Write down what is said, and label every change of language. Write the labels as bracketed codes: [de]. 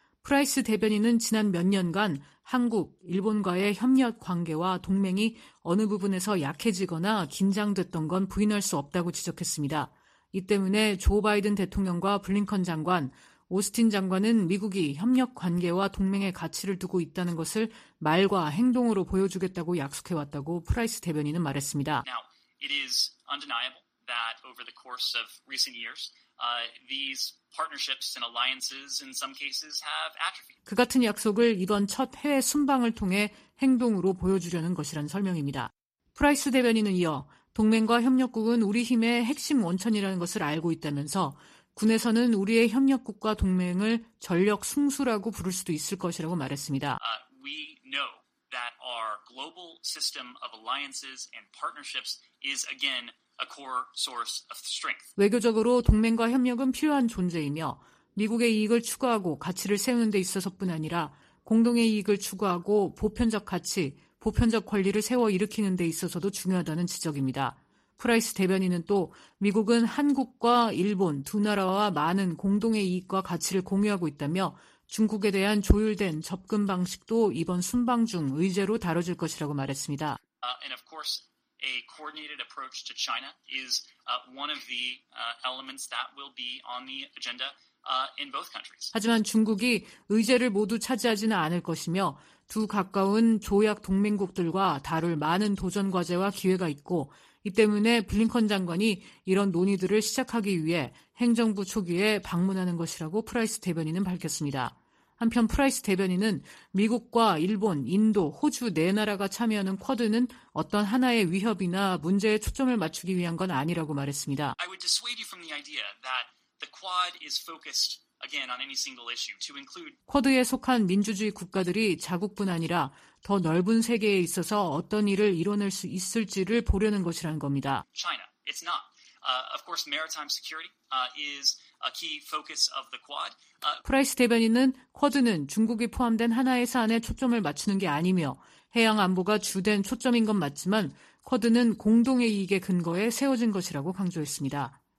[ko] 프라이스 대변인은 지난 몇 년간 한국, 일본과의 협력 관계와 동맹이 어느 부분에서 약해지거나 긴장됐던 건 부인할 수 없다고 지적했습니다. 이 때문에 조 바이든 대통령과 블링컨 장관, 오스틴 장관은 미국이 협력 관계와 동맹의 가치를 두고 있다는 것을 말과 행동으로 보여주겠다고 약속해왔다고 프라이스 대변인은 말했습니다. [en] Now, it is undeniable that over the course of recent years, these partnerships and alliances in some cases have atrophied. [ko] 그 같은 약속을 이번 첫 해외 순방을 통해 행동으로 보여주려는 것이란 설명입니다. 프라이스 대변인은 이어 동맹과 협력국은 우리 힘의 핵심 원천이라는 것을 알고 있다면서 군에서는 우리의 협력국과 동맹을 전력 승수라고 부를 수도 있을 것이라고 말했습니다. [en] We know that our global system of alliances and partnerships is again a core source of strength. [ko] 외교적으로 동맹과 협력은 필요한 존재이며 미국의 이익을 추구하고 가치를 세우는 데 있어서뿐 아니라 공동의 이익을 추구하고 보편적 가치, 보편적 권리를 세워 일으키는 데 있어서도 중요하다는 지적입니다. 프라이스 대변인은 또 미국은 한국과 일본 두 나라와 많은 공동의 이익과 가치를 공유하고 있다며 중국에 대한 조율된 접근 방식도 이번 순방 중 의제로 다뤄질 것이라고 말했습니다. [en] And of course, a coordinated approach to China is one of the elements that will be on the agenda in both countries. [ko] 하지만 중국이 의제를 모두 차지하지는 않을 것이며 두 가까운 조약 동맹국들과 다룰 많은 도전 과제와 기회가 있고 이 때문에 블링컨 장관이 이런 논의들을 시작하기 위해 행정부 초기에 방문하는 것이라고 프라이스 대변인은 밝혔습니다. 한편 프라이스 대변인은 미국과 일본, 인도, 호주 네 나라가 참여하는 쿼드는 어떤 하나의 위협이나 문제에 초점을 맞추기 위한 건 아니라고 말했습니다. [en] I would dissuade you from the idea that the Quad is focused again on any single issue to include [ko] 쿼드에 속한 민주주의 국가들이 자국뿐 아니라 더 넓은 세계에 있어서 어떤 일을 이뤄낼 수 있을지를 보려는 것이라는 겁니다. [en] China, it's not. Of course, maritime security is a key focus of the Quad. [ko] 프라이스 대변인은 쿼드는 중국이 포함된 하나의 사안에 초점을 맞추는 게 아니며 해양 안보가 주된 초점인 건 맞지만 쿼드는 공동의 이익의 근거에 세워진 것이라고 강조했습니다.